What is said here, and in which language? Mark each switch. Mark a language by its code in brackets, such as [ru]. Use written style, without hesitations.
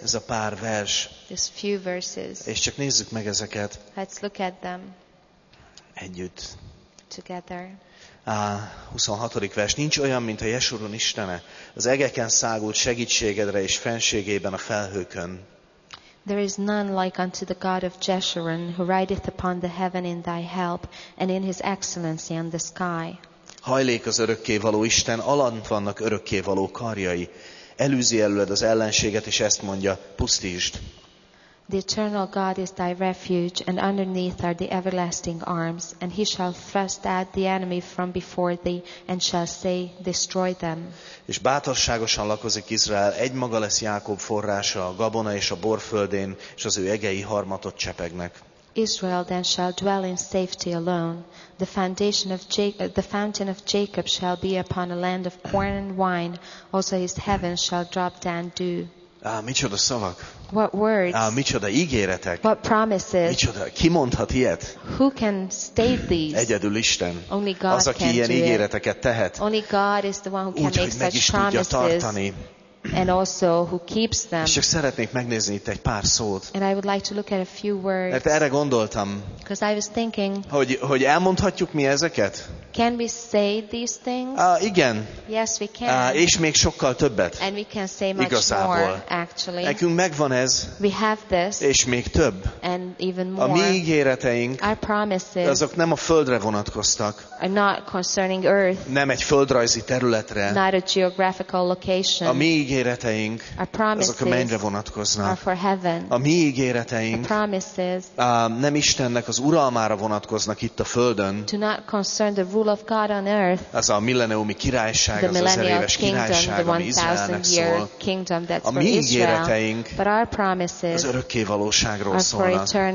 [hu] Ez a pár vers. [en] These few verses. [hu] És csak nézzük meg ezeket. [en] Let's look at them. [hu] Együtt. [en] Together. [hu] A 26. vers. Nincs olyan, mint a Jesurun Istene, az egeken szágult segítségedre és fenségében a felhőkön. [en] There is none like unto the God of Jeshurun, who rideth upon the heaven in thy help, and in his excellency on the sky. [hu] Hajlék az örökkévaló Isten, alant vannak örökkévaló karjai. Elűzi előled az ellenséget, és ezt mondja, pusztítsd. [en] The eternal God is thy refuge, and underneath are the everlasting arms, and he shall thrust out the enemy from before thee, and shall say, destroy them. [hu] És bátorságosan lakozik Izrael, egymaga lesz Jákob forrása, a Gabona és a Bor földén, és az ő egei harmatot csepegnek. [en] Israel then shall dwell in safety alone. The fountain of Jacob shall be upon a land of corn and wine, also his heavens shall drop down dew. [hu] Micsoda szavak? [en] What words? [hu] Micsoda ígéretek? [en] What promises? [hu] Micsoda, ki mondhat ilyet? [en] Who can state these? [hu] Egyedül Isten. [en] Only God [hu] az, aki ilyen ígéreteket tehet. [en] Only God is the one who can [hu] úgy, [en] make such promises. [hu] Úgy, hogy meg is tudja tartani. [en] And also who keeps them. [hu] És csak szeretnék megnézni itt egy pár szót. [en] And I would like to look at a few words. [hu] Mert erre gondoltam. [en] Because I was thinking. [hu] Hogy elmondhatjuk mi ezeket? [en] Can we say these things? [hu] Igen. [en] Yes, we can. [hu] És még sokkal többet. [en] And we can say much [hu] igazából. [en] More, actually. [hu] Nekünk megvan ez. [en] We have this. [hu] És még több. [en] And even more. [hu] A mi ígéreteink. [en] Our promises. [hu] Azok nem a földre vonatkoztak. [en] Are not concerning earth. [hu] Nem egy földrajzi területre. [en] Not a geographical location. [hu] A mi ígéreteink. [en] Our promises. [hu] Azok a mennyre vonatkoznak. [en] Are for heaven. [hu] A mi ígéreteink. [en] Our promises. [hu] Nem Istennek az uralmára vonatkoznak itt a földön. [en] Do not concern the rule of God on earth. [hu] Az a millenniumi királyság, az az ezeréves királyság, ami Izraelnek szól. A mi ígéreteink az örökkévalóságról szólnak.